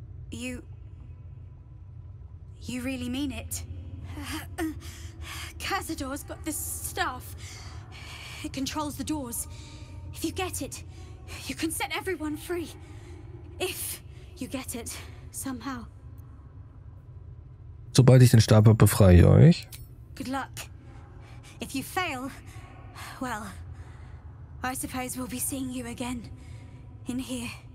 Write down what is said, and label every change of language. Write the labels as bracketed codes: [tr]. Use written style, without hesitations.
[en] You really mean it? Cazador's got this staff. It controls the doors. If you get it, you can set everyone free. If you get it, somehow. [de] Sobald ich den Stab habe, befreie ich euch. [en] Good luck. If you fail, well, I suppose we'll be seeing you again in here.